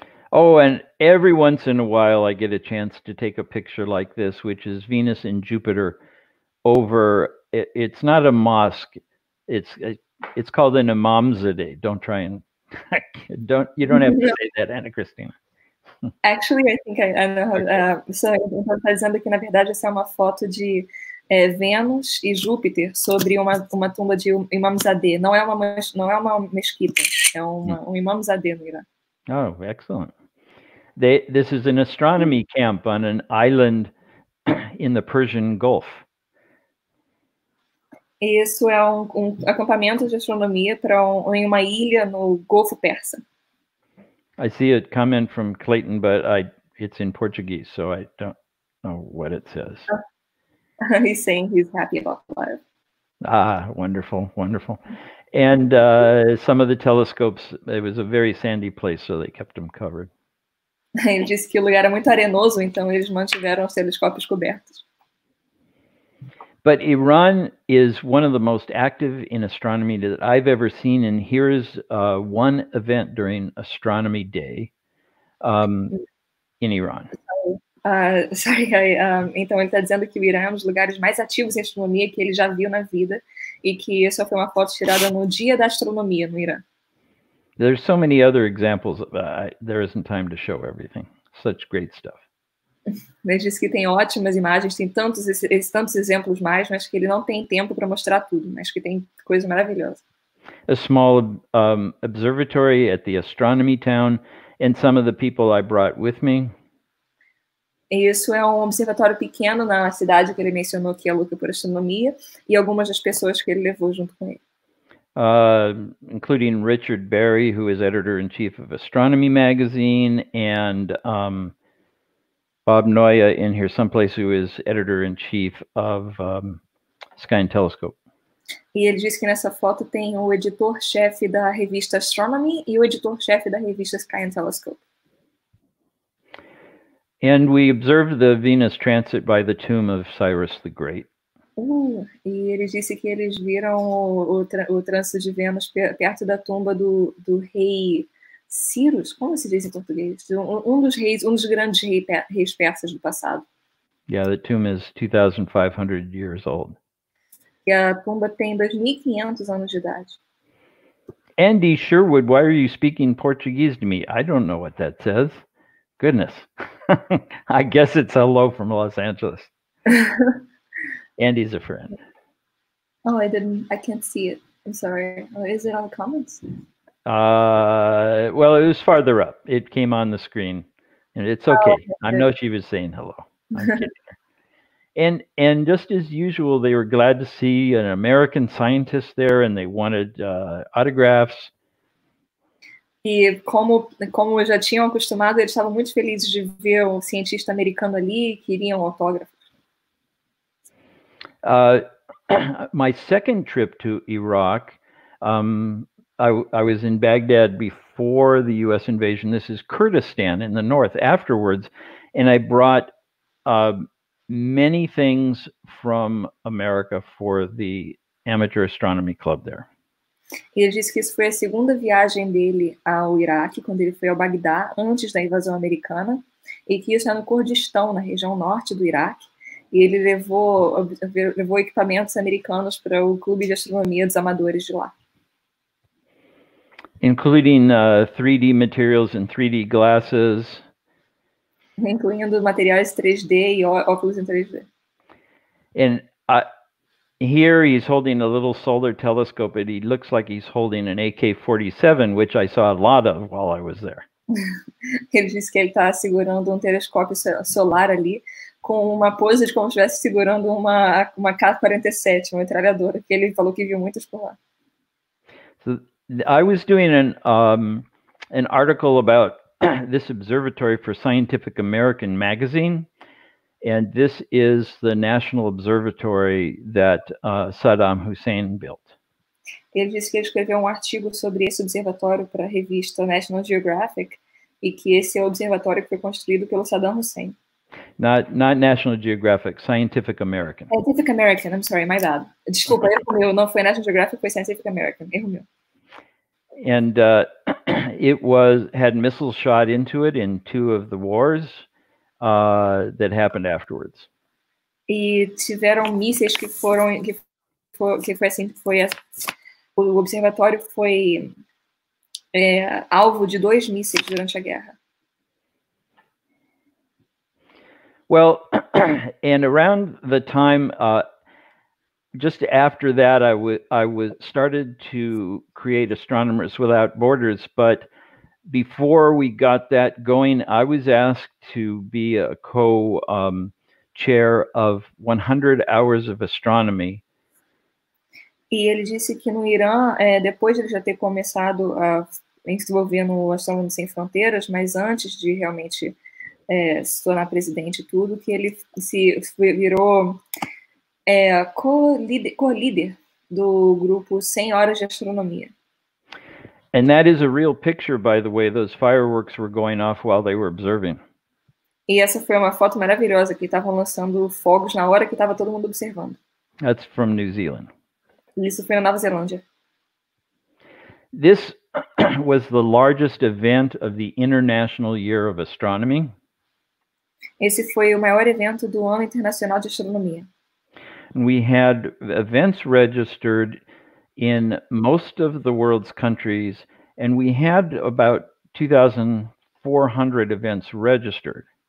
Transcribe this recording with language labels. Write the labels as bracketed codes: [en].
[en] Oh, and every once in a while I get a chance to take a picture like this, which is Venus and Jupiter over, it's not a mosque, it's called an imamzadeh. Don't try and, you don't have to say that, Anna Cristina. Actually, I think I know how to say that, [pt] na verdade, essa é uma foto de Vênus e Júpiter sobre uma tumba de imamzadeh. Não é uma mesquita, é um imamzadeh no Irã. [en] Oh, excellent. This is an astronomy camp on an island in the Persian Gulf. [pt] Isso é um acampamento de astronomia para em uma ilha no Golfo Persa. [en] I see a comment from Clayton, but it's in Portuguese, so I don't know what it says. He's saying he's happy about life. Ah, wonderful, wonderful. And some of the telescopes, it was a very sandy place, so they kept them covered. [pt] Ele disse que o lugar era muito arenoso, então eles mantiveram os telescópios cobertos. [en] But Iran is one of the most active in astronomy that I've ever seen, and here is one event during Astronomy Day in Iran. [pt] Então ele está dizendo que o Irã é um dos lugares mais ativos em astronomia que ele já viu na vida, e que isso foi uma foto tirada no dia da astronomia no Irã. [en] There's so many other examples. There isn't time to show everything. Such great stuff. [pt] Ele disse que tem ótimas imagens, tem tantos exemplos mais, mas que ele não tem tempo para mostrar tudo, mas que tem coisa maravilhosa. [en] A small observatory at the astronomy town and some of the people I brought with me. [pt] Isso é um observatório pequeno na cidade que ele mencionou que é louca por astronomia e algumas das pessoas que ele levou junto com ele. [en] Including Richard Berry, who is editor-in-chief of Astronomy Magazine, and Bob Noya in here someplace, who is editor-in-chief of Sky and Telescope. [pt] E ele disse que nessa foto tem o editor-chefe da revista Astronomy e o editor-chefe da revista Sky and Telescope. [en] And we observed the Venus transit by the tomb of Cyrus the Great. [pt] E ele disse que eles viram o trânsito de Vênus perto da tumba do rei Ciros, como se diz em português? Um dos grandes reis persas do passado. [en] Yeah, the tomb is 2,500 years old. [pt] E a tumba tem 2,500 anos de idade. [en] Andy Sherwood, why are you speaking Portuguese to me? I don't know what that says. Goodness. I guess it's hello from Los Angeles. Andy's a friend. Oh, I didn't. I can't see it. I'm sorry. Oh, is it on the comments? Well, it was farther up. It came on the screen. And it's okay. Oh, I know she was saying hello. And just as usual, they were glad to see an American scientist there, and they wanted autographs. [pt] E como já tinham acostumado, eles estavam muito felizes de ver um cientista americano ali, queriam autógrafos. [en] My second trip to Iraq, I was in Baghdad before the U.S. invasion. This is Kurdistan in the north afterwards. And I brought many things from America for the amateur astronomy club there. [pt] E ele disse que isso foi a segunda viagem dele ao Iraque, quando ele foi ao Bagdá, antes da invasão americana, e que isso é no Kurdistão, na região norte do Iraque, e ele levou equipamentos americanos para o Clube de Astronomia dos Amadores de lá. [en] Including 3D materials and 3D glasses. [pt] Incluindo materiais 3D e óculos em 3D. [en] Here he's holding a little solar telescope, and he looks like he's holding an AK-47, which I saw a lot of while I was there. [pt] Ele disse que ele está segurando um telescópio solar ali, com uma pose de como se estivesse segurando uma K-47, uma metralhadora, que ele falou que viu muitas por lá. [en] So, I was doing an article about this observatory for Scientific American magazine. And this is the National Observatory that Saddam Hussein built. [pt] Ele disse que ele escreveu um artigo sobre esse observatório para a revista National Geographic e que esse é o observatório que foi construído pelo Saddam Hussein. [en] Not National Geographic, Scientific American. Scientific American, I'm sorry, my bad. [pt] Desculpa, erro meu, não foi National Geographic, foi Scientific American, erro meu. [en] And it was had missiles shot into it in two of the wars. That happened afterwards. [pt] E tiveram mísseis que foram que foi assim foi a, o observatório foi alvo de dois mísseis durante a guerra. [en] Well, and around the time just after that I started to create Astronomers Without Borders, but before we got that going, I was asked to be a co-chair of 100 Hours of Astronomy. [pt] E ele disse que no Irã, depois de ele já ter começado a desenvolver no Astrônomos Sem Fronteiras, mas antes de realmente se tornar presidente e tudo, que ele se virou co-líder do grupo 100 Horas de Astronomia. [en] And that is a real picture, by the way. Those fireworks were going off while they were observing. [pt] E essa foi uma foto maravilhosa que estavam lançando fogos na hora que estava todo mundo observando. [en] That's from New Zealand. [pt] Isso foi na Nova Zelândia. [en] This was the largest event of the International Year of Astronomy. [pt] Esse foi o maior evento do Ano Internacional de Astronomia. [en] We had events registered in most of the world's countries, and we had about 2,400 events registered.